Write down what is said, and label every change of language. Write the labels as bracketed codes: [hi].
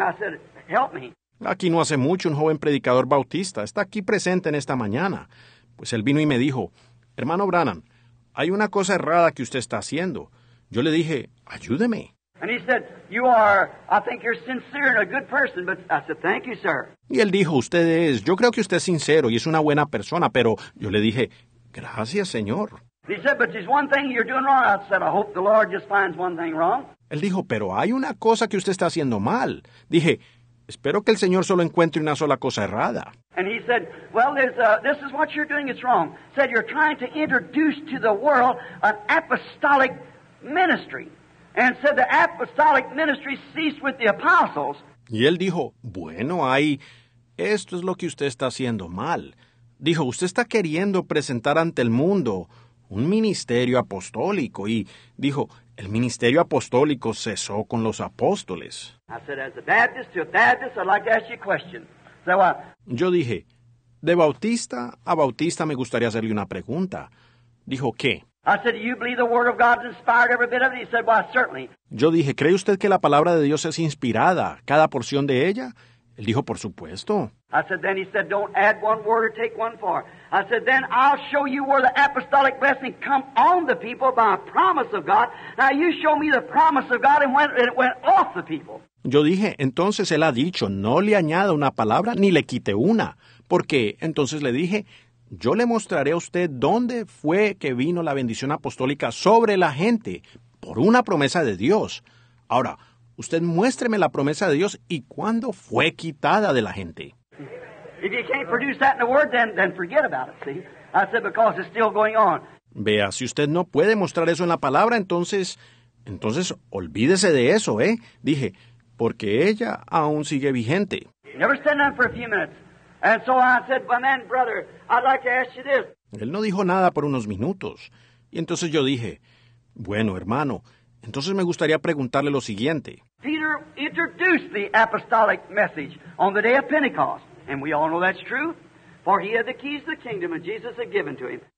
[en] I said, help me. [es] Aquí no hace mucho, un joven predicador bautista está aquí presente en esta mañana. Pues él vino y me dijo, hermano Branham, hay una cosa errada que usted está haciendo. Yo le dije, ayúdeme. [en] And he said, you are, I think you're sincere and a good person, but I said, thank you, sir. [es] Y él dijo, usted es, yo creo que usted es sincero y es una buena persona, pero yo le dije, gracias, señor. [en] He said, but there's one thing you're doing wrong. I said, I hope the Lord just finds one thing wrong. [es] Él dijo, pero hay una cosa que usted está haciendo mal. Dije, espero que el Señor solo encuentre una sola cosa errada. [en] And he said, well, this is what you're doing, it's wrong. Said, you're trying to introduce to the world an apostolic ministry. And said, the apostolic ministry ceased with the apostles. [es] Y él dijo, bueno, ahí, esto es lo que usted está haciendo mal. Dijo, usted está queriendo presentar ante el mundo un ministerio apostólico. Y dijo, el ministerio apostólico cesó con los apóstoles. [en] I said, as a Baptist, to a Baptist, I'd like to ask you a question. So, [es] yo dije, de bautista a bautista me gustaría hacerle una pregunta. Dijo, ¿qué? [en] I said, do you believe the Word of God is inspired every bit of it? He said, well, certainly. [es] Yo dije, ¿cree usted que la palabra de Dios es inspirada, cada porción de ella? Él dijo, por supuesto. [en] I said, then he said, don't add one word or take one far. I said, then I'll show you where the apostolic blessing come on the people by a promise of God. Now you show me the promise of God and when it went off the people. [es] Yo dije, entonces él ha dicho, no le añada una palabra ni le quite una. Porque entonces le dije, yo le mostraré a usted dónde fue que vino la bendición apostólica sobre la gente por una promesa de Dios. Ahora, usted muéstreme la promesa de Dios y cuándo fue quitada de la gente. [en] If you can't produce that in the word, then forget about it, see? I said, because it's still going on. [es] Vea, si usted no puede mostrar eso en la palabra, entonces olvídese de eso, ¿eh? Dije, porque ella aún sigue vigente. [en] Never stand up for a few minutes. And so I said, my man, brother, I'd like to ask you this. [es] Él no dijo nada por unos minutos. Y entonces yo dije, bueno, hermano, entonces me gustaría preguntarle lo siguiente. [en] Peter introduced the apostolic message on the day of Pentecost. And we all know that's true, for he had the keys to the kingdom and Jesus had given to him.